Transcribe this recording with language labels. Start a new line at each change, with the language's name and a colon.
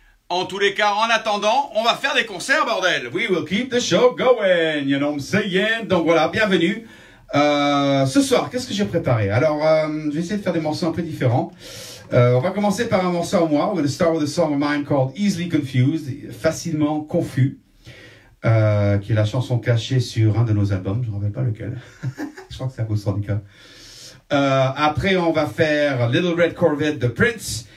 French: En tous les cas, en attendant, on va faire des concerts, bordel.
English: We will keep the show going, you know what I'm saying.
French: Donc voilà, bienvenue. Ce soir, qu'est-ce que j'ai préparé? Alors, je vais essayer de faire des morceaux un peu différents. On va commencer par un morceau à moi.
English: We're going to start with a song of mine called Easily Confused,
French: facilement confus, qui est la chanson cachée sur un de nos albums. Je ne me rappelle pas lequel. Je crois que c'est à cause de ça. Après, on va faire Little Red Corvette de Prince.